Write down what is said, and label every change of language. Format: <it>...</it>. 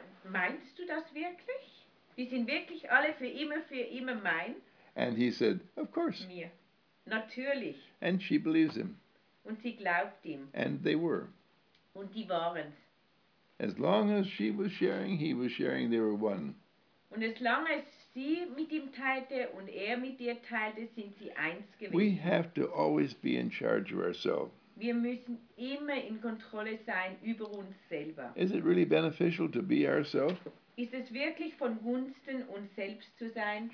<de>Meinst du das wirklich? Die sind wirklich alle für immer mein.</de> <en>And he said, of course.</en> <de>Mir. Natürlich.</de> <en>And she believes him.</en> <de>Und sie glaubt ihm.</de> <en>And they were.</en> <de>Und die waren's.</de> <en>As long as she was sharing, he was sharing, they were one.</en> <de>Und</de> <en>as long as</en> <de>sie mit ihm teilte und mit ihr teilte, sind sie eins gewesen.</de> <en>We have to always be in charge of ourselves.</en> <de>Wir müssen immer in Kontrolle sein über uns selber.</de> <en>Is it really beneficial to be ourselves?</en> <de>Ist es wirklich von Gunsten, uns selbst zu sein?</de>